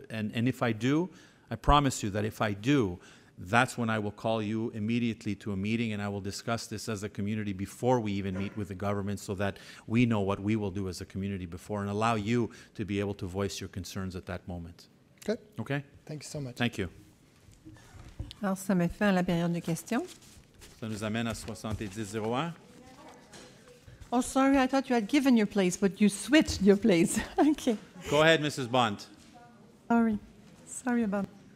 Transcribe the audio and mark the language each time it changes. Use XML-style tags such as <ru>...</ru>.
<en>And if I do, I promise you that if I do, that's when I will call you immediately to a meeting, and I will discuss this as a community before we even meet with the government, so that we know what we will do as a community before, and allow you to be able to voice your concerns at that moment. Good. Okay. Thank you so much. Thank you.</en> <fr>Alors, ça met fin à la période de questions. Ça nous amène à 7001.</fr> <en>Oh, sorry, I thought you had given your place, but you switched your place. Okay. Go ahead, Mrs. Bond. Sorry about that.</en>